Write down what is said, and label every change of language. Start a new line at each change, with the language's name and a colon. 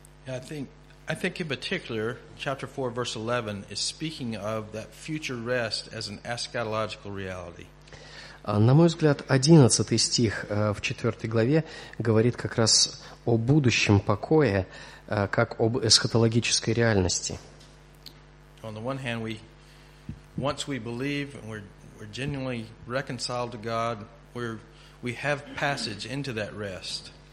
English: I think in particular, chapter 4, verse 11 is speaking of that future rest as an eschatological reality.
Russian: На мой взгляд, 11 стих в 4 главе говорит как раз о будущем покое, как об эсхатологической реальности.
English: On the one hand, once we believe and we're genuinely reconciled to God, we have passage into that rest.